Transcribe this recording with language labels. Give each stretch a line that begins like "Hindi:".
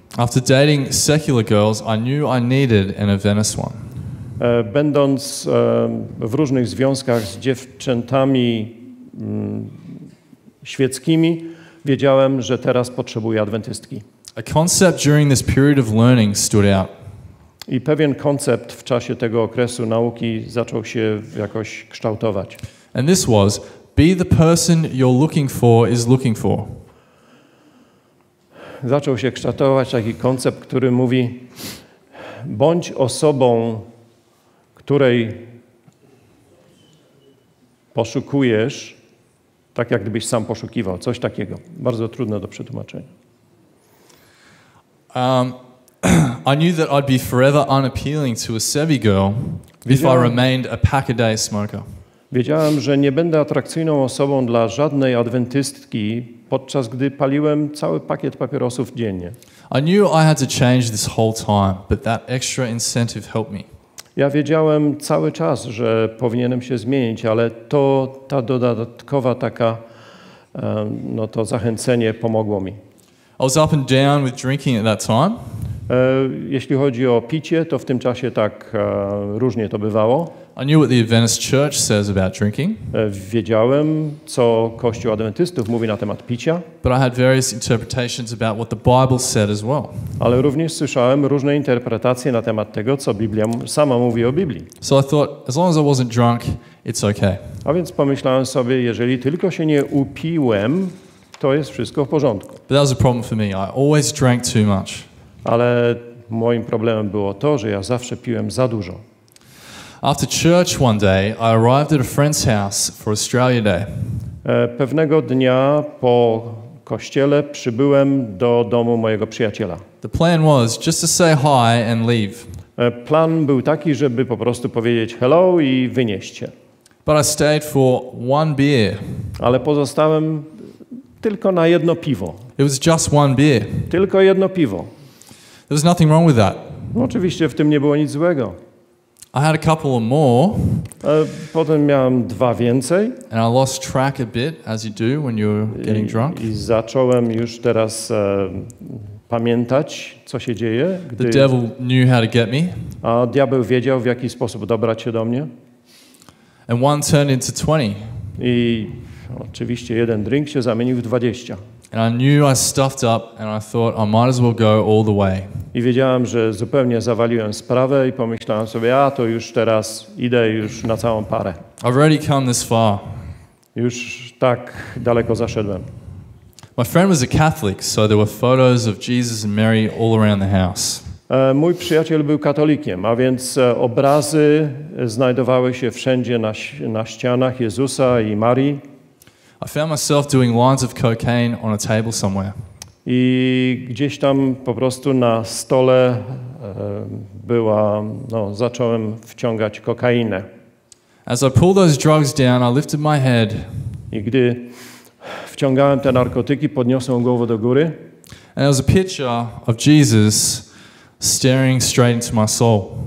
English: After dating secular girls, I knew I needed an adventist one.
Polish: Będąc w różnych związkach z dziewczętami świeckimi, wiedziałem, że teraz potrzebuję adwentystki.
English: A concept during this period of learning stood out.
Polish: I pewien koncept w czasie tego okresu nauki zaczął się jakoś kształtować.
English: And this was, be the person you're looking for is looking for.
Polish: Zaczął się kształtować taki koncept, który mówi, bądź osobą, której Poszukujesz, tak jak gdybyś sam poszukiwał. Coś takiego. Bardzo trudne do przetłumaczenia.
English: I knew that I'd be forever unappealing to a savvy girl if I remained a pack a day smoker.
Polish: Wiedziałem, że nie będę atrakcyjną osobą dla żadnej adwentystki, podczas gdy paliłem cały pakiet papierosów dziennie.
English: I knew I had to change this whole time, but that extra incentive helped me.
Polish: Ja wiedziałem cały czas, że powinienem się zmienić, ale to ta dodatkowa taka no to zachęcenie pomogło mi.
English: I was up and down with drinking at that time.
Polish: Jeśli chodzi o picie, to w tym czasie tak różnie to bywało.
English: I knew what the Adventist Church says about drinking.
Polish: Wiedziałem, co Kościół Adwentystów mówi na temat picia.
English: But I had various interpretations about what the Bible said as well.
Polish: Ale również słyszałem różne interpretacje na temat tego, co Biblia sama mówi o Biblii.
English: So I thought, as long as I wasn't drunk, it's okay.
Polish: A więc pomyślałem sobie, jeżeli tylko się nie upiłem, to jest wszystko w porządku.
English: But that was a problem for me. I always drank too much.
Polish: Ale moim problemem było to, że ja zawsze piłem za dużo.
English: After church one day, I arrived at a friend's house for Australia Day.
Polish: Pewnego dnia po kościele przybyłem do domu mojego przyjaciela.
English: The plan was just to say hi and leave.
Polish: Plan był taki, żeby po prostu powiedzieć hello i wynieść się.
English: But I stayed for one beer.
Polish: Ale pozostałem tylko na jedno piwo.
English: It was just one beer.
Polish: Tylko jedno piwo.
English: There was nothing wrong with that.
Polish: No, oczywiście w tym nie było nic złego.
English: I had a couple of more.
Polish: Potem miałem dwa więcej.
English: And I lost track a bit, as you do when you're getting drunk.
Polish: I zacząłem już teraz pamiętać, co się dzieje.
English: The devil knew how to get me.
Polish: A diabeł wiedział, w jaki sposób dobrać się do mnie.
English: And one turned into 20.
Polish: I oczywiście jeden drink się zamienił w 20.
English: And I knew I stuffed up and I thought I might as well go all the way.
Polish: I wiedziałem, że zupełnie zawaliłem sprawę i pomyślałem sobie, a to już teraz idę już na całą parę.
English: I've already come this far.
Polish: Już tak daleko zaszedłem.
English: My friend was a Catholic, so there were photos of Jesus and Mary all around the house.
Polish: Mój przyjaciel był katolikiem, a więc obrazy znajdowały się wszędzie na ścianach Jezusa i Marii.
English: I found myself doing lines of cocaine on a table somewhere.
Polish: I gdzieś tam po prostu na stole była, no, zacząłem wciągać kokainę.
English: As I pulled those drugs down, I lifted my head.
Polish: I gdy wciągałem te narkotyki, podniosłem głowę do góry.
English: And there was a picture of Jesus staring straight into my soul.